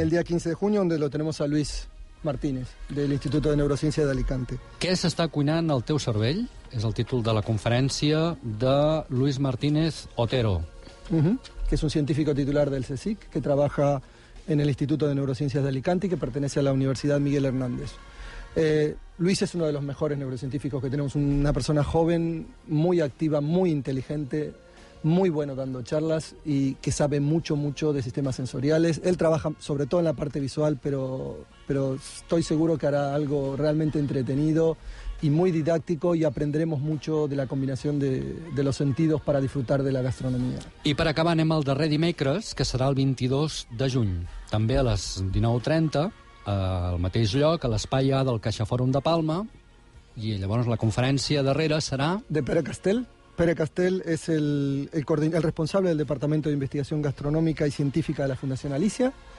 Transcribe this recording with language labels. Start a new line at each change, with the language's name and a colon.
Catalan: El dia 15 de juny, on
Spanish: lo tenemos
Catalan: a Luis Martínez, de l'Institut de Neurociència d'Alicante. Què s'està cuinant al teu cervell? És el títol de la conferència de Luis Martínez Otero. Que és un científic titular del CSIC, que treballa en l'Institut de Neurociència d'Alicante i que pertenece a la Universitat Miguel Hernández.
Spanish: Luis es uno de los mejores neurocientíficos que tenemos, una persona joven, muy activa, muy inteligente, muy bueno dando charlas y que sabe mucho, mucho de sistemas sensoriales. Él trabaja sobre todo en la parte visual, pero estoy seguro que hará algo realmente entretenido y muy didáctico y aprenderemos mucho de la combinación de los sentidos para disfrutar de la gastronomía.
Catalan: I per acabar anem al darrer dimecres, que serà el 22 de juny, també a les 19:30. Al mateix lloc, a l'espai A del Caixa Fòrum de Palma, i llavors la conferència darrera serà... De Pere Castell. Pere Castell és el responsable del Departament d'Investigació Gastronòmica i Científica de la Fundació Alicia.